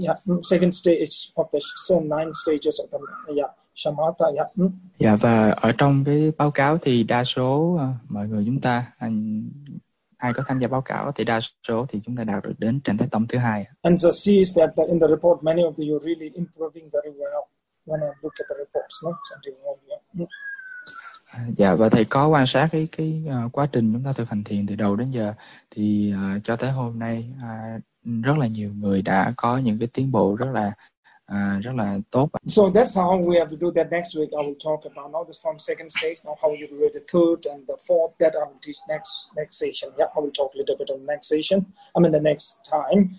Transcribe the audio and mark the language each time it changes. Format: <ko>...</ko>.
<en>Yeah, second stage of the nine stages of the shamatha. Yeah. Mm.</en> <vi>Yeah, và ở trong cái báo cáo thì đa số mọi người chúng ta ai có tham gia báo cáo thì đa số thì chúng ta đạt được đến trạng thái tâm thứ hai.</vi> <en>And so see is that in the report many of you really improving very well when I look at the reports, no?</en> <vi>Dạ, và thầy có quan sát cái quá trình chúng ta thực hành thiền từ đầu đến giờ thì cho tới hôm nay rất là nhiều người đã có những cái tiến bộ rất là tốt.</vi> <en>So that's how we have to do that. Next week I will talk about now the from second stage, now how you read the third and the fourth, that I will teach next session. Yeah, I will talk a little bit on next session. I mean the next time.</en>